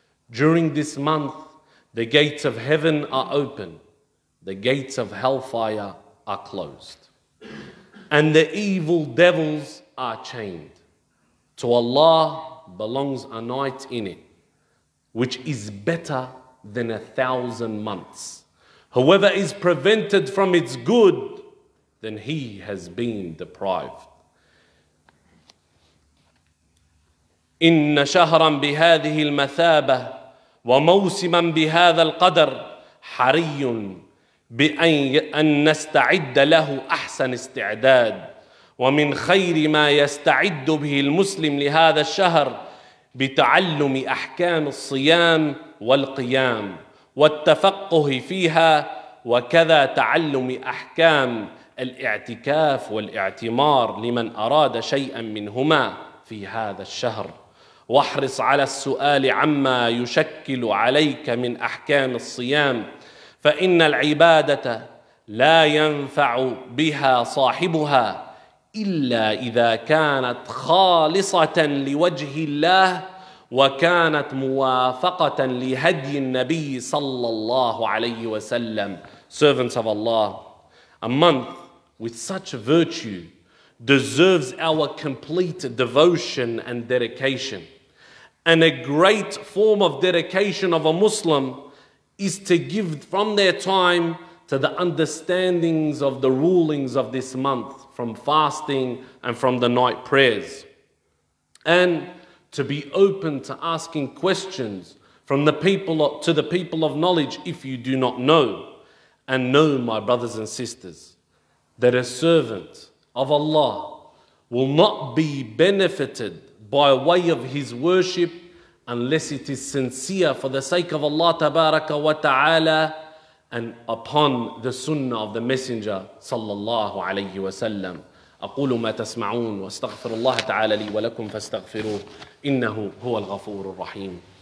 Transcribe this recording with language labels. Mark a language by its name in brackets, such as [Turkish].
[English] During this month, the gates of heaven are open, the gates of hellfire are closed, and the evil devils are chained. To Allah belongs a night in it, which is better than 1,000 months. Whoever is prevented from its good, then he has been deprived. [Arabic] إن شهرا بهذه المثابة وموسما بهذا القدر حري بأن نستعد له أحسن استعداد ومن خير ما يستعد به المسلم لهذا الشهر بتعلم أحكام الصيام والقيام والتفقه فيها وكذا تعلم أحكام الاعتكاف والاعتمار لمن أراد شيئا منهما في هذا الشهر واحرص على السؤال عما يشكل عليك من أحكام الصيام فإن العبادة لا ينفع بها صاحبها إلا إذا كانت خالصة لوجه الله وكانت موافقة لهدي النبي صلى الله عليه وسلم. [English] Servants of Allah, a month with such virtue deserves our complete devotion and dedication. And a great form of dedication of a Muslim is to give from their time to the understandings of the rulings of this month, from fasting and from the night prayers. And to be open to asking questions from the people to the people of knowledge if you do not know. And know, my brothers and sisters, that a servant of Allah will not be benefited by way of his worship unless it is sincere for the sake of Allah tabaraka wa ta'ala and upon the sunnah of the messenger sallallahu alayhi wa sallam. [Arabic] أقول ما تسمعون واستغفر الله تعالى لي ولكم فاستغفروه إنه هو الغفور الرحيم.